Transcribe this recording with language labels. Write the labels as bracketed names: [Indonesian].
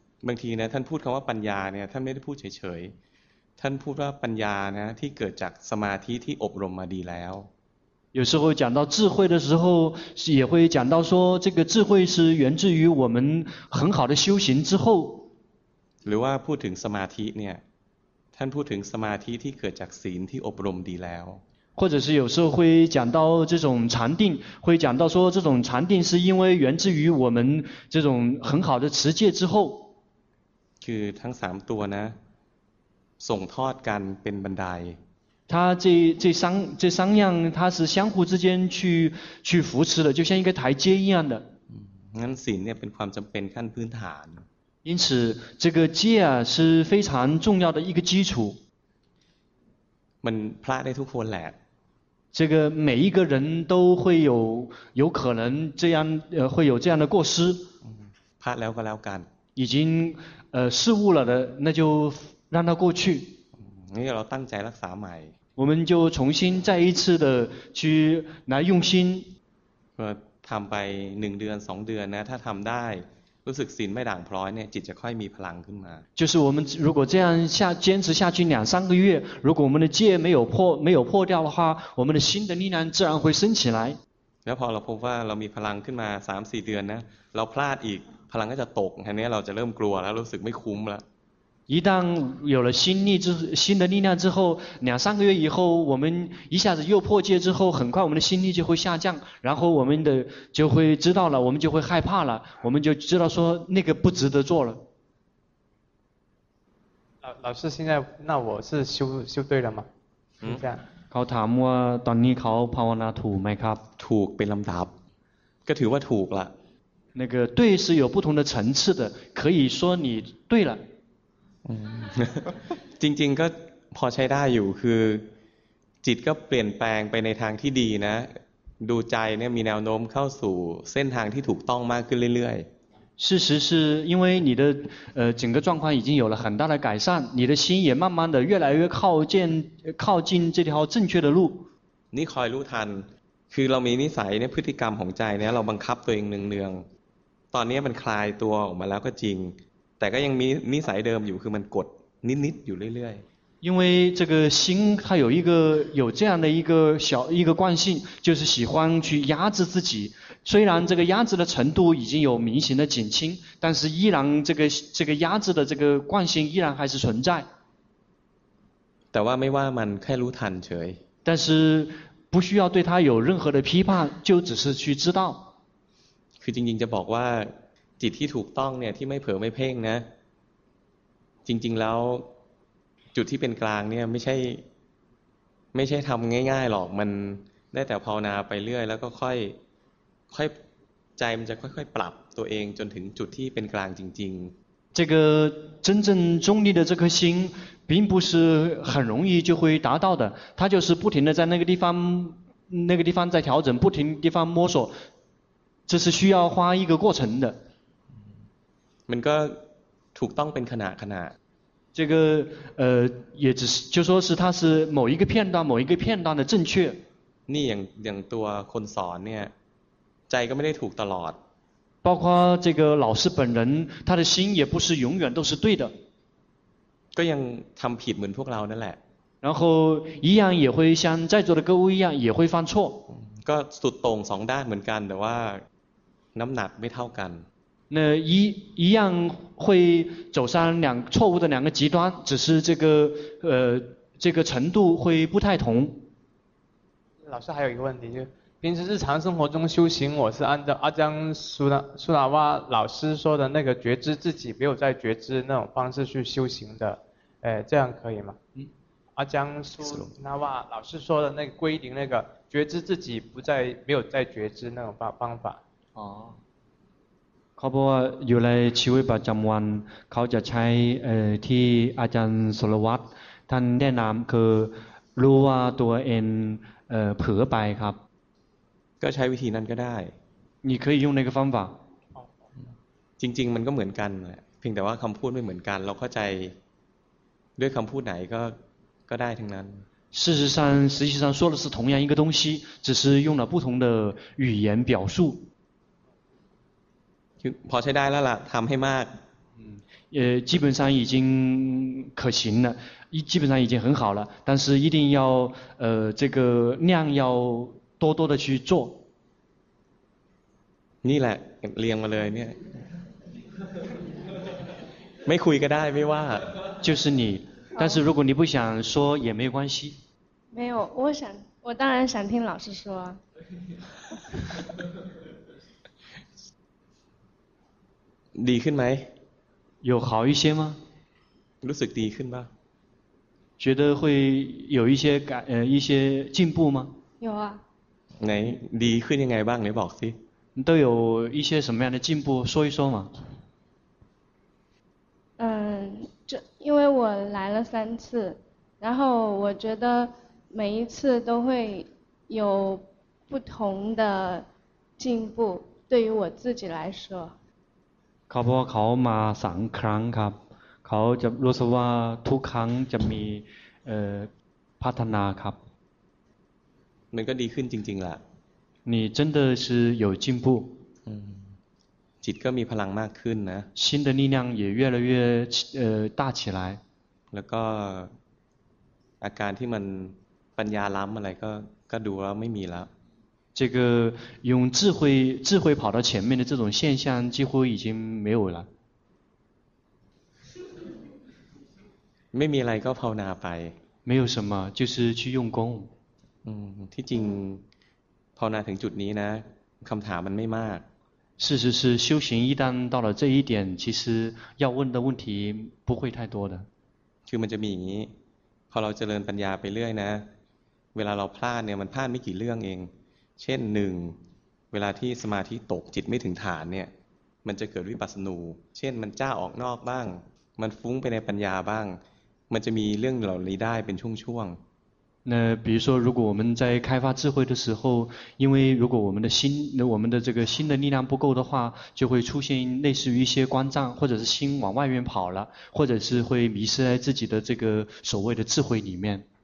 [Thai] บางทีนะท่านพูดคำว่าปัญญาเนี่ยท่านไม่ได้พูดเฉยๆท่านพูดว่าปัญญานะที่เกิดจากสมาธิที่อบรมมาดีแล้ว [Chinese] 有时候讲到智慧的时候也会讲到说这个智慧是源自于我们很好的修行之后 [Thai] หรือว่าพูดถึงสมาธิเนี่ยท่านพูดถึงสมาธิที่เกิดจากศีลที่อบรมดีแล้ว [Chinese] 或者是有时候会讲到这种禅定会讲到说这种禅定是因为源自于我们这种很好的持戒之后 [Thai] คือทั้งสามตัวนะส่งทอดกันเป็นบันได [Chinese] 它这三样它是相互之间去扶持的就像一个台阶一样的 [Thai] งั้นศีลเนี่ยเป็นความจำเป็นขั้นพื้นฐาน [Chinese] 因此这个戒啊是非常重要的一个基础。 [Thai] มันพลาดได้ทุกคนแหละ [Chinese] 这个每一个人都会有可能这样会有这样的过失。 [Thai] พลาดแล้วก็แล้วกัน [Chinese] 已经失误了的那就让它过去。 [Thai] นี่เราตั้งใจรักษาใหม่ [Chinese] 我们就重新再一次的去来用心。 [Thai] ทำไป1เดือน2เดือนนะถ้าทำได้รู้สึกศีลไม่ด่างพร้อยเนี่ยจิตจะค่อยมีพลังขึ้นมา [Chinese] 就是我们如果这样下坚持下去两三个月如果我们的戒没有破掉的话我们的心的力量自然会升起来 [Thai] แล้วพอเราพบว่าเรามีพลังขึ้นมา 3-4 เดือนนะเราพลาดอีกพลังก็จะตกทีนี้เราจะเริ่มกลัวแล้วรู้สึกไม่คุ้มแล้ว [Chinese] 一旦有了心的力量之后两三个月以后我们一下子又破戒之后很快我们的心力就会下降然后我们的就会知道了我们就会害怕了我们就知道说那个不值得做了老师现在那我是修对了吗这样 [Thai] เขาถามว่าตอนนี้เขาภาวนาถูกไหมครับ ถูกเป็นลำดับก็ถือว่าถูกละ [Chinese] 那个对是有不同的层次的可以说你对了 [Thai] จริงๆก็พอใช้ได้อยู่คือจิตก็เปลี่ยนแปลงไปในทางที่ดีนะดูใจเนี่ยมีแนวโน้มเข้าสู่เส้นทางที่ถูกต้องมากขึ้นเรื่อย [Chinese] ๆ事实是因为你的整个状况已经有了很大的改善你的心也慢慢的越来越靠近这条正确的路 [Thai] นี่คอยรู้ทันคือเรามีนิสัยเนี่ยพฤติกรรมของใจเนี่ยเราบังคับตัวเองเนืองๆตอนนี้มันคลายตัวออกมาแล้วก็จริงแต่ก็ยังมีนิสัยเดิมอยู่คือมันกดนิดๆอยู่เรื่อย [Chinese] ๆ因为这个心它有这样的一个惯性就是喜欢去压制自己虽然这个压制的程度已经有明显的减轻但是依然这个压制的这个惯性依然还是存在 [Thai] แต่ว่าไม่ว่ามันแค่รู้ทันเฉย [Chinese] 但是不需要对它有任何的批判就只是去知道 [Thai] คือจริงๆจะบอกว่าจิตที่ถูกต้องเนี่ยที่ไม่เผลอไม่เพ่งนะจริงๆแล้วจุดที่เป็นกลางเนี่ยไม่ใช่ทำง่ายๆหรอกมันได้แต่ภาวนาไปเรื่อยแล้วก็ค่อยใจมันจะค่อยๆปรับตัวเองจนถึงจุดที่เป็นกลางจริง [Chinese] ๆ这个真正中立的这颗心并不是很容易就会达到的它就是不停的在那个地方在调整不停地方摸索这是需要花一个过程的 [Thai] มันก็ถูกต้องเป็นขณะขณะ [Chinese] 这个也只是就说是它是某一个片段的正确 [Thai] นี่อย่างตัวคนสอนเนี่ยใจก็ไม่ได้ถูกตลอด [Chinese] 包括这个老师本人他的心也不是永远都是对的 [Thai] ก็ยังทำผิดเหมือนพวกเรานั่นแหละ [Chinese] 然后一样也会像在座的各位一样也会犯错 [Thai] ก็สุดตรงสองด้านเหมือนกันแต่ว่าน้ำหนักไม่เท่ากัน [Chinese] 那一样会走上两错误的两个极端，只是这个程度会不太同。老师还有一个问题，就平时日常生活中修行，我是按照阿江苏拉瓦老师说的那个觉知自己没有在觉知那种方式去修行的，这样可以吗？阿江苏拉瓦老师说的那个归零那个觉知自己没有在觉知那种方法。哦。 [Thai] เขาบอกว่าอยู่ในชีวิตประจำวันเขาจะใช้ที่อาจารย์สุรวัตรท่านแนะนำคือรู้ว่าตัวเองเผลอไปครับ ก็ใช้วิธีนั้นก็ได้ [Chinese] 你可以用那个方法 [Thai] จริงๆมันก็เหมือนกันแหละเพียงแต่ว่าคำพูดไม่เหมือนกันเราเข้าใจด้วยคำพูดไหนก็ได้ทั้งนั้น [Chinese] 事实上说的是同样一个东西只是用了不同的语言表述 [Thai] พอใช้ได้แล้วล่ะทำให้มาก [Chinese] 基本上已经可行了基本上已经很好了但是一定要这个量要多多的去做 [Thai] นี่แหละเรียงมาเลยเนี่ยไม่คุยก็ได้ไม่ว่า [Chinese] 就是你但是如果你不想说也没关系没有我当然想听老师说 [Thai] ดีขึ้นไหม [Chinese] 有好一些吗 [Thai] รู้สึกดีขึ้นบ้าง [Chinese] 觉得会有一些一些进步吗有啊 [Thai] ไหนดีขึ้นยังไงบ้างไหนบอกสิ [Chinese] 都有一些什么样的进步说一说嘛因为我来了三次，然后我觉得每一次都会有不同的进步，对于我自己来说。 [Thai] เขาบอกเขามาสามครั้งครับเขาจะรู้สึกว่าทุกครั้งจะมีพัฒนาครับ มันก็ดีขึ้นจริงๆแหละ [Chinese] 你真的是有进步 [Thai] จิตก็มีพลังมากขึ้นนะ [Chinese] 心的力量也越来越大起来 [Thai] แล้วก็อาการที่มันปัญญาล้ำอะไรก็ดูว่าไม่มีแล้ว [Chinese] 这个用智慧跑到前面的这种现象几乎已经没有了 [Thai] ไม่มีอะไรก็ภาวนาไป [Chinese] 没有什么就是去用功 [Thai] ที่จริงภาวนาถึงจุดนี้นะคำถามมันไม่มาก [Chinese] 事实是修行一旦到了这一点其实要问的问题不会太多的 [Thai] คือมันจะมีอย่างนี้พอเราเจริญปัญญาไปเรื่อยนะเวลาเราพลาดเนี่ยมันพลาดไม่กี่เรื่องเองเช่นหนึ่งเวลาที่สมาธิตกจิตไม่ถึงฐานเนี่ยมันจะเกิดวิปัสสนูเช่นมันจ้าออกนอกบ้างมันฟุ้งไปในปัญญาบ้างมันจะมีเรื่องเหล่านี้ได้เป็นช่วงๆ [Chinese] 那比如说如果我们在开发智慧的时候因为如果我们的这个心的力量不够的话就会出现类似于一些观障或者是心往外面跑了或者是会迷失在自己的这个所谓的智慧里面